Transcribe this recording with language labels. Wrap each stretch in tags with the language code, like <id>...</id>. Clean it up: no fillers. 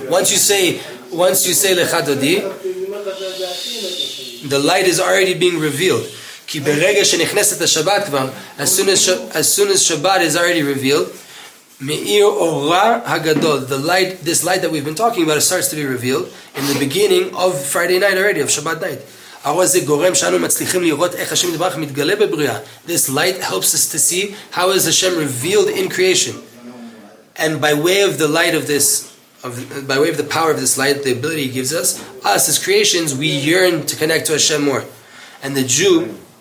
<en>Once you say Lecha Dodi, the light is already being revealed.</en> <he>כי ברגע שנכנסת השבת כבר,</he> <en>as soon as Shabbat is already revealed,</en> <he>מאיר אורה הגדול,</he> <en>this light that we've been talking about starts to be revealed in the beginning of Friday night already, of Shabbat night.</en> <he>הרי זה גורם שאנו מצליחים לראות איך השם יתברך מתגלה בבריאה.</he> <en>This light helps us to see how is Hashem revealed in creation. And by way of the light of this, by way of the power of this light, the ability he gives us, us as creations, we yearn to connect to Hashem more. And the Jew...</en>